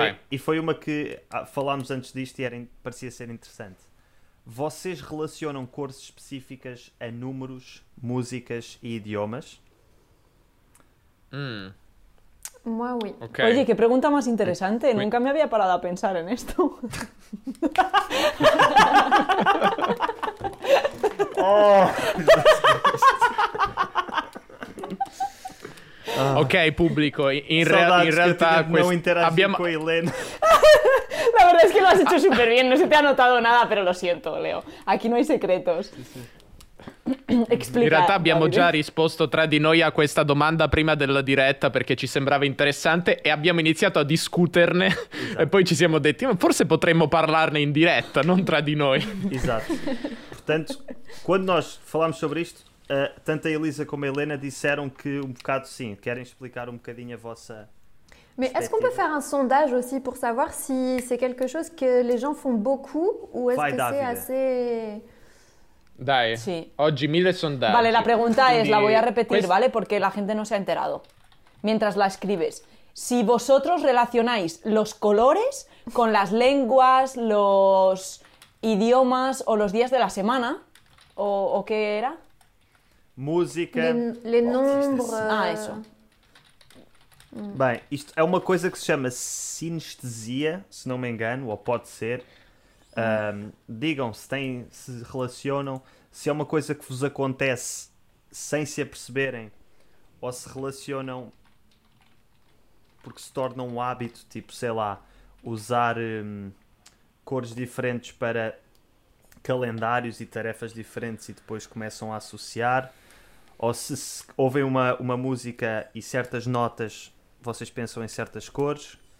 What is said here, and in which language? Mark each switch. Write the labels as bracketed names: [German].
[Portuguese] E foi uma que falámos antes disto e parecia ser interessante. Vocês relacionam cores específicas a números, músicas e idiomas? [French] Moi, oui. Okay. [Portuguese] Oye, que pergunta mais interessante. [French] Oui. [Spanish] Nunca me havia parado a pensar en esto. Oh! [Italian] Ah. Ok, pubblico, in realtà non interagisco con Elena. [Spanish] La verdad es que lo has hecho super bien, no se te ha notado nada, pero lo siento, Leo. Aquí no hay secretos. [Italian] In realtà abbiamo già risposto tra di noi a questa domanda prima della diretta perché ci sembrava interessante e abbiamo iniziato a discuterne. Esatto. E poi ci siamo detti, ma forse potremmo parlarne in diretta, non tra di noi. Esatto. [Portuguese] Pertanto, quando noi falamos sobre isto, tanto a Elisa como a Helena disseram que um bocado sim, querem explicar um bocadinho a vossa. [French] Mais est-ce qu'on peut faire un sondage aussi pour savoir si c'est quelque chose que les gens font beaucoup ou est-ce [Italian] Vai, [French] que [Italian] Davide. [French] C'est assez. [Italian] Dai, sí. Oggi mille sondaggi. [Spanish] Vale, la pregunta es, la voy a repetir, ¿vale? Porque la gente no se ha enterado. Mientras la escribes, si vosotros relacionáis los colores con las lenguas, los idiomas o los días de la semana, ¿o qué era? Música. [French] Les nombres. [Spanish] Ah, eso. [Portuguese] Bem, isto é uma coisa que se chama sinestesia, se não me engano, ou pode ser. Digam se relacionam, se é uma coisa que vos acontece sem se aperceberem, ou se relacionam porque se torna um hábito, tipo, sei lá, usar cores diferentes para calendários e tarefas diferentes e depois começam a associar, ou se ouvem uma música e certas notas vocês pensam em certas cores.